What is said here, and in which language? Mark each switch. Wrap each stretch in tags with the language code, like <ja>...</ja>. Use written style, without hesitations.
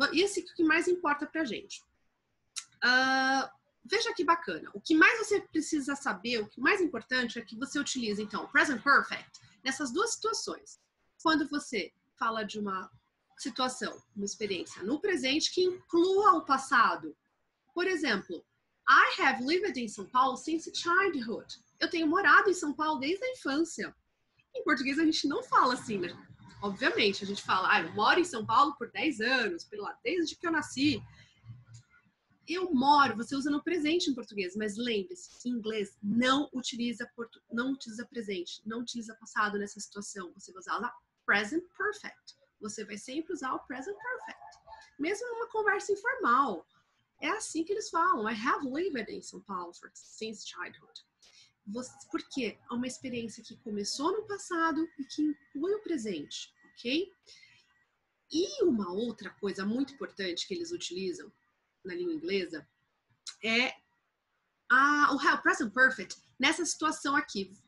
<pt>E esse que mais importa pra gente. Veja que bacana. O que mais você precisa saber, o que mais importante é que você utilize, então, o present perfect nessas duas situações. Quando você fala de uma situação, uma experiência no presente que inclua o passado. Por exemplo,</pt> <en>I have lived in São Paulo since childhood.</en> <pt>Eu tenho morado em São Paulo desde a infância. Em português a gente não fala assim, né? Obviamente, a gente fala, ah, eu moro em São Paulo por 10 anos, desde que eu nasci. Eu moro, você usa no presente em português, mas lembre-se, em inglês, não utiliza presente, não utiliza passado nessa situação. Você vai usar present perfect. Você vai sempre usar o present perfect. Mesmo numa conversa informal. É assim que eles falam.</pt> <en>I have lived in São Paulo since childhood.</en> <pt>Por quê? É uma experiência que começou no passado e que inclui o presente, ok? E uma outra coisa muito importante que eles utilizam na língua inglesa é o present perfect nessa situação aqui.</pt>